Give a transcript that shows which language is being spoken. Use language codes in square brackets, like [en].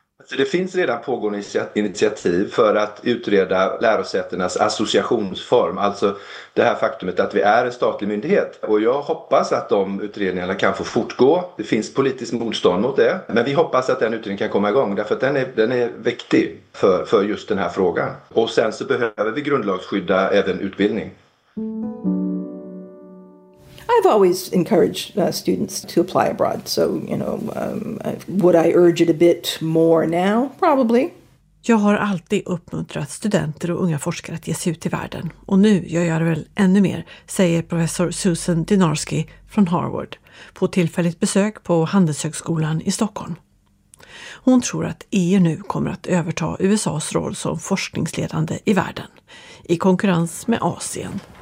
[sv] Så det finns redan pågående initiativ för att utreda lärosätenas associationsform, alltså det här faktumet att vi är en statlig myndighet. Och jag hoppas att de utredningarna kan få fortgå. Det finns politiskt motstånd mot det, men vi hoppas att den utredningen kan komma igång, därför att den är viktig för just den här frågan. Och sen så behöver vi grundlagsskydda även utbildning. [en] I've always encouraged students to apply abroad, so you know, would I urge it a bit more now? Probably. [sv] Jag har alltid uppmuntrat studenter och unga forskare att ge sig ut i världen, och nu gör jag det väl ännu mer, säger professor Susan Dynarski från Harvard på tillfälligt besök på Handelshögskolan i Stockholm. Hon tror att EU nu kommer att överta USA:s roll som forskningsledande i världen i konkurrens med Asien.